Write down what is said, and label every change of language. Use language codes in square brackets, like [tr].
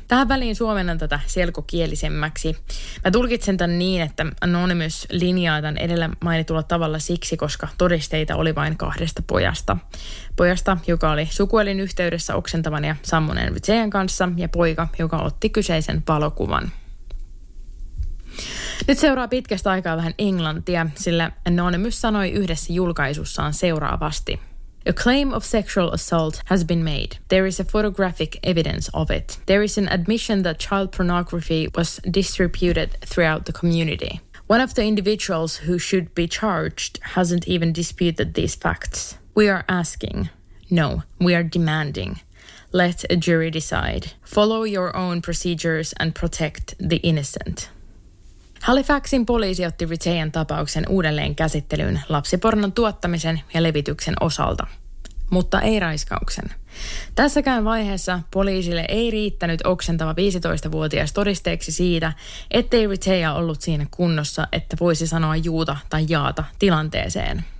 [fi] Tähän väliin suomennan tätä selkokielisemmäksi. Mä tulkitsen tämän niin, että Anonymous linjaa tämän edellä mainitulla tavalla siksi, koska todisteita oli vain kahdesta pojasta. Pojasta, joka oli sukuelin yhteydessä oksentavan ja sammuneen Vitsejan kanssa ja poika, joka otti kyseisen valokuvan. Nyt seuraa pitkästä aikaa vähän englantia, sillä Anonymous sanoi yhdessä julkaisussaan seuraavasti. [en] A claim of sexual assault has been made. There is a photographic evidence of it. There is an admission that child pornography was distributed throughout the community. One of the individuals who should be charged hasn't even disputed these facts. We are asking. No, we are demanding. Let a jury decide. Follow your own procedures and protect the innocent. [fi] Halifaxin poliisi otti Retainin tapauksen uudelleen käsittelyyn lapsipornon tuottamisen ja levityksen osalta. mutta ei raiskauksen. Tässäkään vaiheessa poliisille ei riittänyt oksentava 15-vuotias todisteeksi siitä, ettei Riteja ollut siinä kunnossa, että voisi sanoa juuta tai jaata tilanteeseen.